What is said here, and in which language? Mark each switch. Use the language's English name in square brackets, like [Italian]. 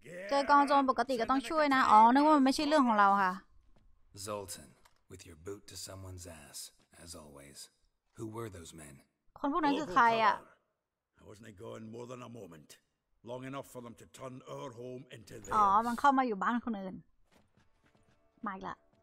[Thai] เจอกองโจรปกติก็ต้องช่วยนะอ๋อนึกว่ามันไม่ใช่เรื่องของเราค่ะ [English] Zoltan, with your boot to someone's ass, as always. Who were those men? [Thai] คนพวกนั้นคือใครอ่ะ [English] Wasn't it going more than a moment? Long enough for them to turn our home into theirs. [Thai] Oh, มันเข้ามาอยู่บ้านคนอื่น มาอีกละ